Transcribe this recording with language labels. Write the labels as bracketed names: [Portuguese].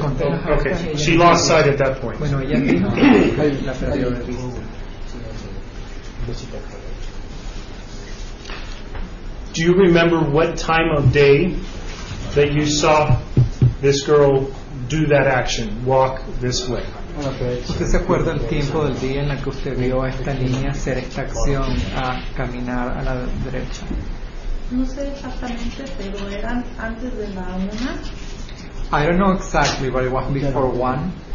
[English] Okay, she lost sight at that point. Do you remember what time of day that you saw this girl do that action, walk this way? [Spanish] ¿Usted se acuerda el tiempo del día en el que usted vio a esta niña hacer esta acción a caminar a la derecha? No sé exactamente, pero eran antes de la una. [English] I don't know exactly, but it was before one.